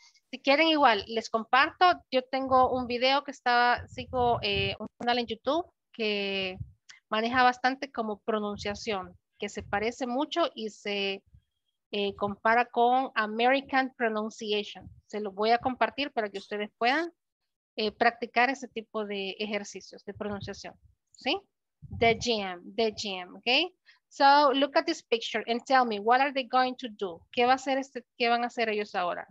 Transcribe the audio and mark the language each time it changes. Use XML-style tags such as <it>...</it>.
<es>Si quieren igual, les comparto, yo tengo un video que estaba, sigo un canal en YouTube que maneja bastante como pronunciación, que se parece mucho y se compara con American Pronunciation. Se lo voy a compartir para que ustedes puedan practicar ese tipo de ejercicios de pronunciación, ¿sí?</es> <en>The gym, ¿ok? So, look at this picture and tell me, what are they going to do?</en> <es>¿Qué va a hacer este, qué van a hacer ellos ahora?</es>